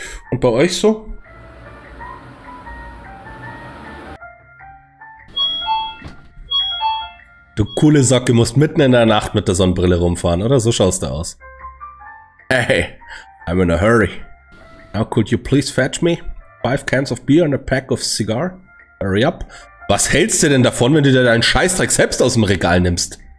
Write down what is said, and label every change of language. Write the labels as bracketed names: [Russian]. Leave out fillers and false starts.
[German] Und bei euch so? Du coole Socke, musst mitten in der Nacht mit der Sonnenbrille rumfahren, oder? So schaust du aus. [English] Hey, I'm in a hurry. Now could you please fetch me 5 cans of beer and a pack of cigar? Hurry up. [German] Was hältst du denn davon, wenn du dir deinen Scheißdreck selbst aus dem Regal nimmst?